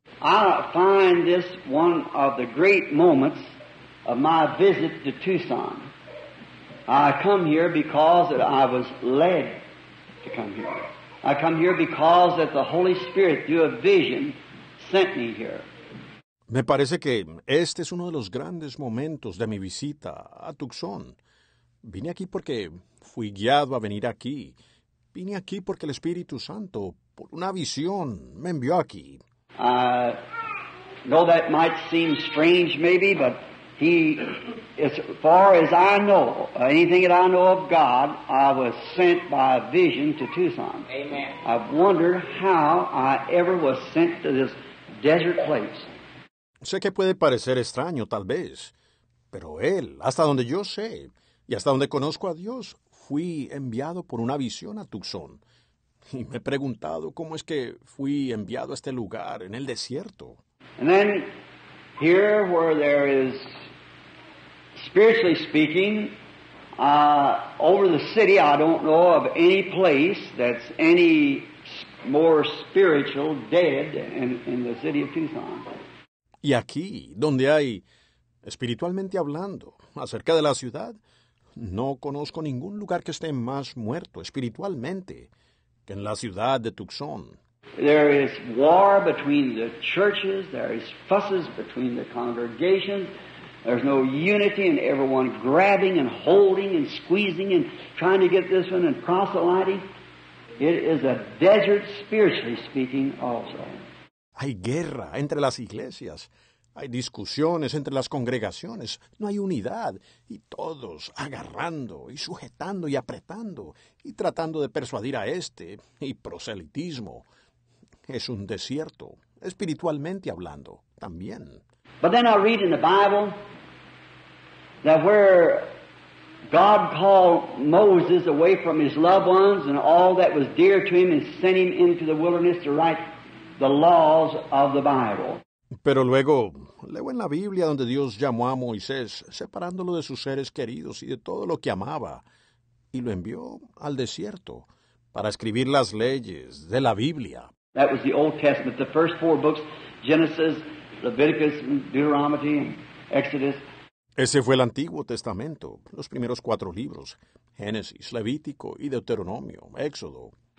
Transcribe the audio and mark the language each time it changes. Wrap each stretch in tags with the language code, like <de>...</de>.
<en>I find this one of the great moments of my visit to Tucson. I come here because that I was led to come here. I come here because that the Holy Spirit, through a vision, sent me here.</en> <es>Me parece que este es uno de los grandes momentos de mi visita a Tucson. Vine aquí porque fui guiado a venir aquí. Vine aquí porque el Espíritu Santo, por una visión, me envió aquí.</es> <en>I know that might seem strange, maybe, but he, as far as I know, anything that I know of God, I was sent by a vision to Tucson. Amen. I wonder how I ever was sent to this desert place.</en> <es>Sé que puede parecer extraño, tal vez, pero él, hasta donde yo sé, y hasta donde conozco a Dios, fui enviado por una visión a Tucson. Y me he preguntado cómo es que fui enviado a este lugar, en el desierto.</es> <en>And then, here where there is, spiritually speaking, over the city, I don't know of any place that's any more spiritual dead in the city of Tucson.</en> <es>Y aquí, donde hay, espiritualmente hablando, acerca de la ciudad, no conozco ningún lugar que esté más muerto espiritualmente que en la ciudad de Tucson.</es> <en>There is war between the churches, there is fusses between the congregations, there's no unity and everyone grabbing and holding and squeezing and trying to get this one and proselyting. It is a desert, spiritually speaking, also.</en> <es>Hay guerra entre las iglesias, hay discusiones entre las congregaciones, no hay unidad, y todos agarrando y sujetando y apretando y tratando de persuadir a este, y proselitismo. Es un desierto, espiritualmente hablando, también.</es> <en>But then I read in the Bible that where God called Moses away from his loved ones and all that was dear to him and sent him into the wilderness to write the laws of the Bible.</en> <es>Pero luego, leo en la Biblia donde Dios llamó a Moisés, separándolo de sus seres queridos y de todo lo que amaba, y lo envió al desierto para escribir las leyes de la Biblia.</es> <en>That was the Old Testament, the first four books, Genesis, Leviticus, Deuteronomy, and Exodus.</en> <es>Ese fue el Antiguo Testamento, los primeros cuatro libros, Génesis, Levítico y Deuteronomio, Éxodo.</es>